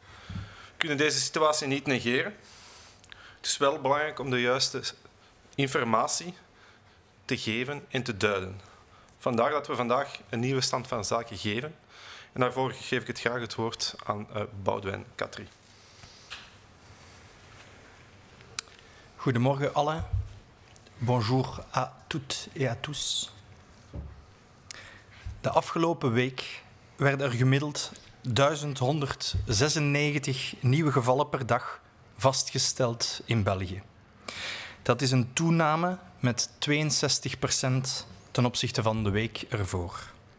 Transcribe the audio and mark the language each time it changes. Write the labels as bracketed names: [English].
[Dutch] We kunnen deze situatie niet negeren. Het is wel belangrijk om de juiste informatie te geven en te duiden. Vandaar dat we vandaag een nieuwe stand van zaken geven. En daarvoor geef ik het graag het woord aan Boudewijn Catry. Goedemorgen, allen. [French] Bonjour à toutes et à tous. [Dutch] De afgelopen week werden er gemiddeld 1.196 nieuwe gevallen per dag vastgesteld in België. Dat is een toename met 62% ten opzichte van de week ervoor.